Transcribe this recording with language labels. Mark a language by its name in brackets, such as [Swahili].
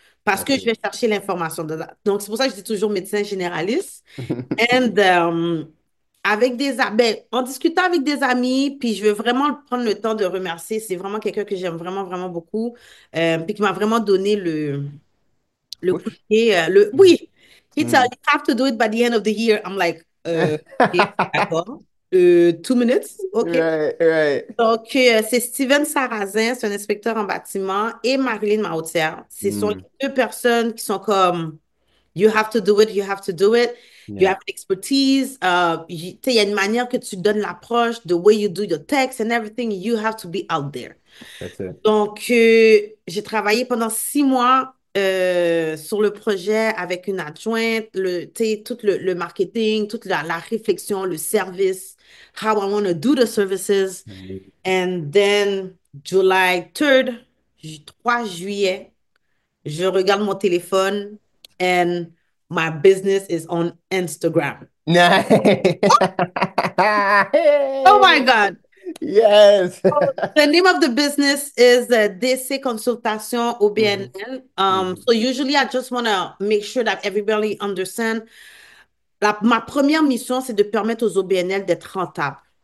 [French] Parce que je vais chercher l'information dedans. Donc, c'est pour ça que je dis toujours médecin généraliste. And avec des ben, en discutant avec des amis, puis je veux vraiment prendre le temps de remercier. C'est vraiment quelqu'un que j'aime vraiment, vraiment beaucoup. Puis qui m'a vraiment donné le coup de [English] Push. [French] pied. [English] Oui, he tell you have to do it by the end of the year. I'm like, okay, d'accord. 2 minutes, OK. [French] Donc, c'est Steven Sarrazin, c'est un inspecteur en bâtiment, et Marilyn Mahautière. Ce sont les deux personnes qui sont comme, [English] you have to do it, you have to do it. You have expertise. [French] Tu sais, il y a une manière que tu donnes l'approche, [English] the way you do your text and everything. You have to be out there. That's it. [French] Donc, j'ai travaillé pendant 6 mois sur le projet avec une adjointe, tu sais, tout le marketing, toute la réflexion, le service, [English] how I want to do the services. And then, July 3rd, [French] 3 juillet, je regarde mon téléphone [English] and my business is on Instagram. Oh my God. Oh, the name of the business is DC Consultation OBNL. So usually I just want to make sure that everybody understand. [French] Ma première mission, c'est de permettre aux OBNL d'être rentables.